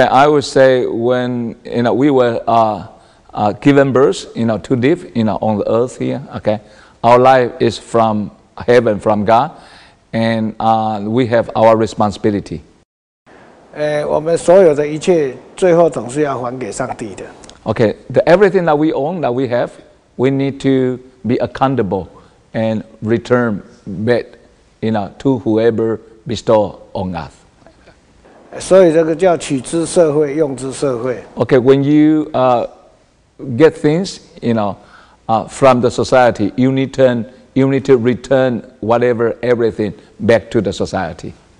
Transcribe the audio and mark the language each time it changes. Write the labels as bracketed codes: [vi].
[en] I would say when you know we were given birth, you know, to live, you know, on the earth here. Okay, our life is from heaven, from God, and we have our responsibility. [zh] 我们所有的一切最后总是要还给上帝的。Okay, [en] the everything that we own, that we have, we need to be accountable. And return back, you know, to whoever bestow on us. [zh] 所以这个叫取之社会，用之社会。Okay, [en] when you get things, you know, from the society, you need to return whatever everything back to the society.